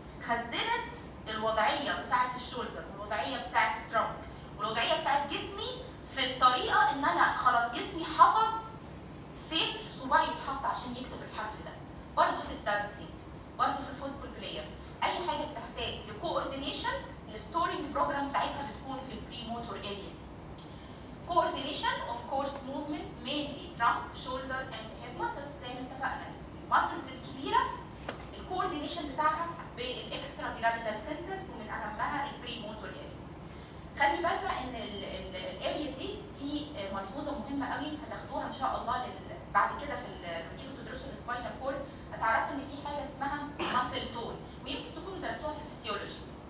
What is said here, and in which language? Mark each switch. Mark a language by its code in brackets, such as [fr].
[ar] خزنت الوضعيه بتاعت الشولدر والوضعيه بتاعت الترنك والوضعيه بتاعت جسمي في الطريقه ان انا خلاص جسمي حفظ فين صباعي يتحط عشان يكتب الحرف ده. برضه في الدانسينج، برضه في الفوتبول بلاير، اي حاجه بتحتاج لكوردينيشن الستورنج بروجرام بتاعتها بتكون في البري موتور اريا دي. [en] Coordination of course movement mainly trunk, shoulder and head muscles [ar] زي ما اتفقنا. المسلز الكبيرة ال coordination بتاعها بال extra pyramidal centers ومن أهمها ال premotor area. خلي بالك إن ال area دي في ملحوظة مهمة قوي هتاخدوها إن شاء الله بعد كده في لما تيجوا تدرسوا ال spinal cord هتعرفوا إن في حاجة اسمها muscle tone ويمكن تكونوا درسوها في physiology.